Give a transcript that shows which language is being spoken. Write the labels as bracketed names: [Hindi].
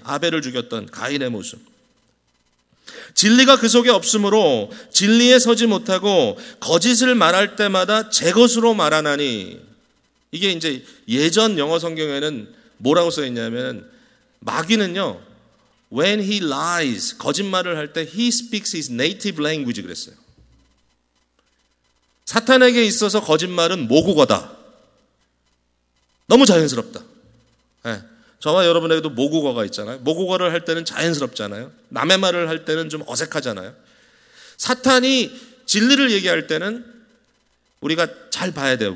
[Korean] 아벨을 죽였던 가인의 모습. 진리가 그 속에 없으므로 진리에 서지 못하고 거짓을 말할 때마다 제 것으로 말하나니. 이게 이제 예전 영어 성경에는 뭐라고 써 있냐면 마귀는요 [English] When he lies, [Korean] 거짓말을 할 때 [English] he speaks his native language [Korean] 그랬어요. 사탄에게 있어서 거짓말은 모국어다. 너무 자연스럽다. 네. 저와 여러분에게도 모국어가 있잖아요. 모국어를 할 때는 자연스럽잖아요. 남의 말을 할 때는 좀 어색하잖아요. 사탄이 진리를 얘기할 때는 우리가 잘 봐야 돼요.